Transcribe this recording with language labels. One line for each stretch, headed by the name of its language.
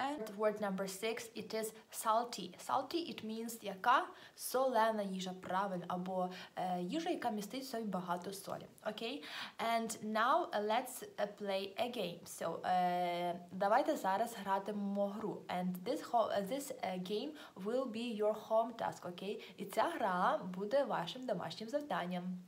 English: And word number six, it is salty. Salty, it means
Ukrainian: яка солена їжа, правильно, або їжа, яка містить в собі багато солі.
English: Okay? And now let's play a game.
Ukrainian: So, давайте зараз гратимемо гру.
English: And this game will be your home task, okay?
Ukrainian: І ця гра буде вашим домашнім завданням.